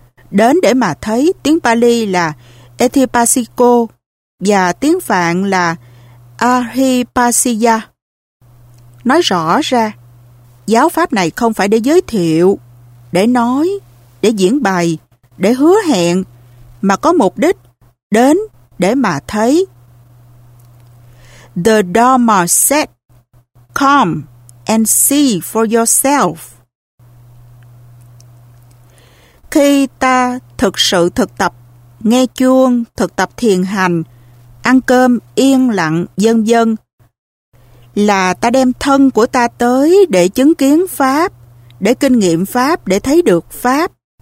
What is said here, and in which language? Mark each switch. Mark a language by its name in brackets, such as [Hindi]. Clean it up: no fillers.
[Vietnamese] Đến để mà thấy, tiếng Pali là Etipasiko và tiếng Phạn là Ahipasiya. Nói rõ ra, giáo pháp này không phải để giới thiệu, để nói, để diễn bày, để hứa hẹn, mà có mục đích đến để mà thấy. [English] The Dharma said, come and see for yourself. [Vietnamese] Khi ta thực sự thực tập nghe chuông, thực tập thiền hành, ăn cơm yên lặng, vân vân, là ta đem thân của ta tới để chứng kiến pháp, để kinh nghiệm pháp, để thấy được pháp.